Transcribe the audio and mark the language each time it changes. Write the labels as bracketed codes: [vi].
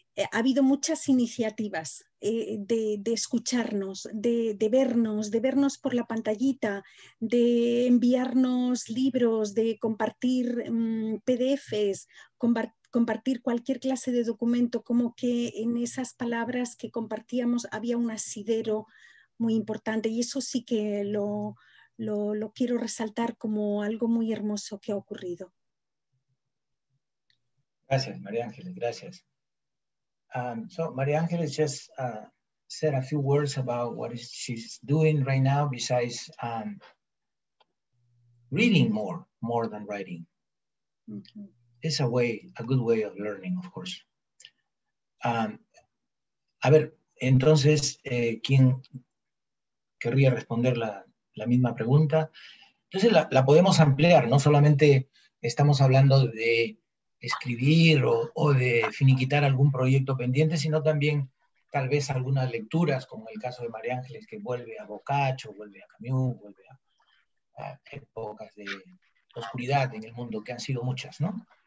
[es] Ha habido muchas iniciativas de escucharnos, de vernos, por la pantallita, de enviarnos libros, de compartir PDFs, compartir cualquier clase de documento, como que en esas palabras que compartíamos había un asidero muy importante. Y eso sí que lo quiero resaltar como algo muy hermoso que ha ocurrido. Gracias, María Ángeles, gracias. [en] So, María Ángeles just said a few words about what is she's doing right now besides reading more than writing. Mm-hmm. It's a good way of learning, of course. [es] A ver, entonces, ¿quién querría responder la misma pregunta? Entonces, la podemos ampliar, no solamente estamos hablando de escribir o de finiquitar algún proyecto pendiente, sino también tal vez algunas lecturas, como el caso de María Ángeles, que vuelve a Boccaccio, vuelve a Camus, vuelve a épocas de oscuridad en el mundo, que han sido muchas, ¿no?